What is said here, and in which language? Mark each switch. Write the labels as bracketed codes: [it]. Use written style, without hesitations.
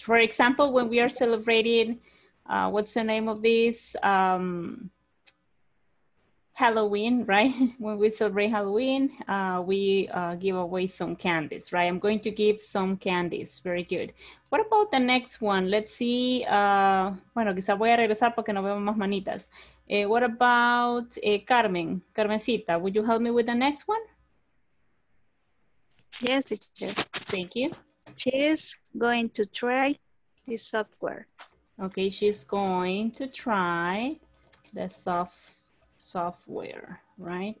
[en] For example, when we are celebrating, what's the name of this? Halloween, right? When we celebrate Halloween, we give away some candies, right? I'm going to give some candies. Very good. What about the next one? Let's see. [es] Bueno, quizá voy a regresar porque no vemos más manitas. [en] What about Carmen? Carmencita, would you help me with the next one? Yes, teacher. Thank you. She's going to try the software. Okay, she's going to try the software, right?